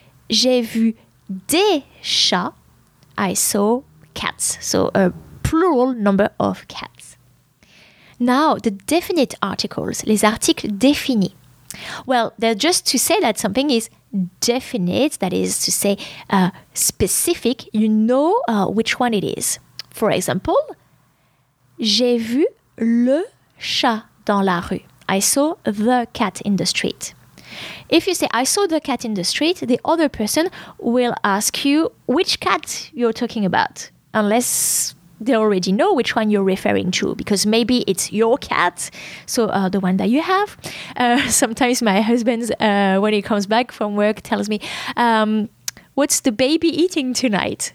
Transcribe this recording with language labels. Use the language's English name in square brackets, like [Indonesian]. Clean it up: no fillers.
[French] J'ai vu des chats, [English] I saw cats. So a plural number of cats. Now, the definite articles, [French] les articles définis. [English] Well, they're just to say that something is definite, that is to say specific, you know which one it is. For example, [French] j'ai vu le chat dans la rue. [English] I saw the cat in the street. If you say, I saw the cat in the street, the other person will ask you which cat you're talking about, unless they already know which one you're referring to, because maybe it's your cat, so the one that you have. Sometimes my husband, when he comes back from work, tells me, what's the baby eating tonight?